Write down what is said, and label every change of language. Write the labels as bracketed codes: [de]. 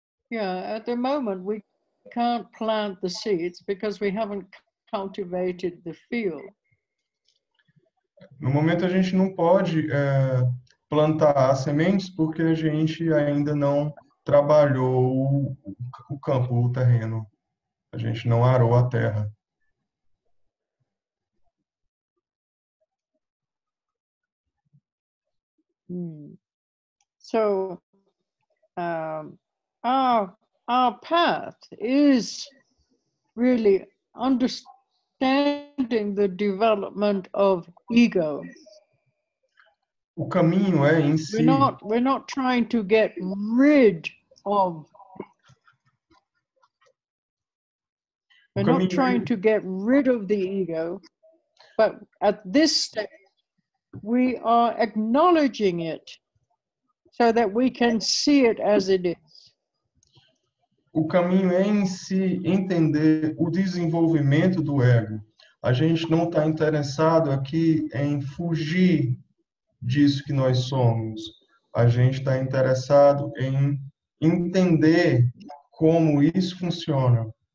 [en] Yeah, at the moment we can't plant the seeds because we haven't cultivated the field. [pt] No momento a gente não pode plantar as sementes porque a gente ainda não trabalhou o campo, o terreno. A gente não arou a terra. [en] So our path is really understanding the development of ego. [pt] O caminho é em si. [en] We're not trying to get rid of. We're not trying to get rid of the ego, but at this stage, we are acknowledging it, so that we can see it as it is. [pt] O caminho é em si entender o desenvolvimento do ego. A gente não está interessado aqui em fugir disso que nós somos. A gente está interessado em entender como isso funciona.